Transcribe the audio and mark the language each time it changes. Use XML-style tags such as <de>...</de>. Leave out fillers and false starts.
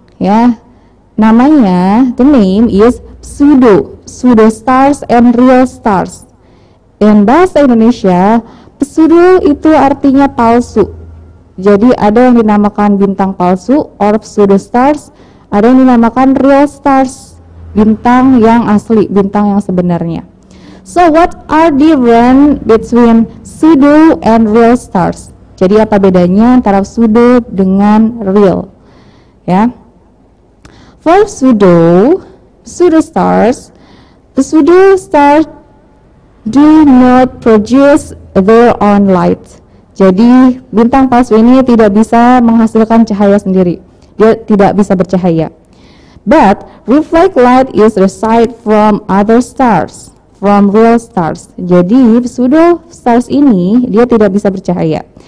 <id>Ya, namanya,</id> <en>the name is pseudo stars and real stars.</en> <id>In bahasa Indonesia, pseudo itu artinya palsu. Jadi ada yang dinamakan bintang palsu</id> <en>or pseudo stars,</en> <id>ada yang dinamakan</id> <en>real stars,</en> <id>bintang yang asli, bintang yang sebenarnya.</id> <en>So what are different between pseudo and real stars?</en> <id>Jadi apa bedanya antara pseudo dengan real? Ya.</id> <en>For pseudo stars, the pseudo stars do not produce their own light.</en> <id>Jadi bintang palsu ini tidak bisa menghasilkan cahaya sendiri. Dia tidak bisa bercahaya.</id> <en>But reflect light is received from other stars, from real stars.</en> <id>Jadi pseudo stars ini dia tidak bisa bercahaya.</id>